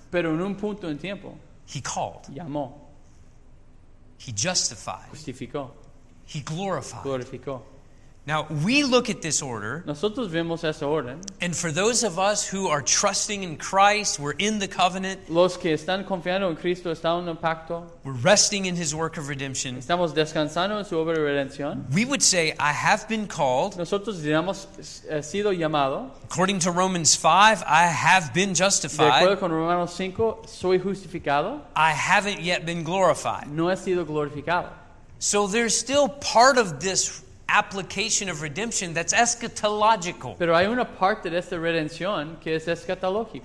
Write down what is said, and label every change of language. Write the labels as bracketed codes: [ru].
[es] Pero en un punto en tiempo. [en] He called. [es] Llamó. [en] He justified. [es] Justificó. [en] He glorified. [es] Glorificó. [en] Now we look at this order. [es] Nosotros vemos esa orden. [en] And for those of us who are trusting in Christ, we're in the covenant. [es] Los que están confiando en Cristo están en el pacto. [en] We're resting in His work of redemption. [es] Estamos descansando en su obra de redención. [en] We would say, "I have been called." [es] Nosotros digamos, he sido llamado. [en] According to Romans 5, I have been justified. [es] De acuerdo con Romanos 5, soy justificado. [en] I haven't yet been glorified. [es] No he sido glorificado. [en] So there's still part of this application of redemption that's eschatological. [es] Pero hay una parte de esta redención que es escatológico.